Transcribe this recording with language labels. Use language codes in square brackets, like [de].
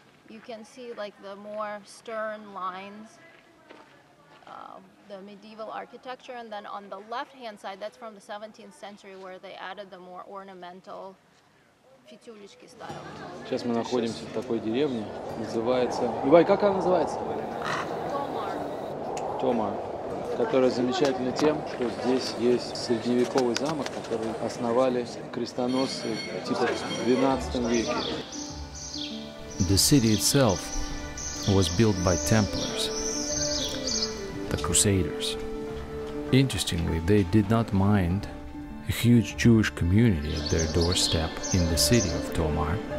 [en] You can see like the more stern lines of the medieval architecture. And then on the left-hand side, that's from the 17th century where they added the more ornamental фитюлечки style. [ru] Сейчас мы находимся в такой деревне. Называется... Ивай, как она называется? Томар. Которая замечательна тем, что здесь есть средневековый замок, который основали крестоносцы типа в 12 веке. [en] The city itself was built by Templars, the Crusaders. Interestingly, they did not mind a huge Jewish community at their doorstep in the city of Tomar.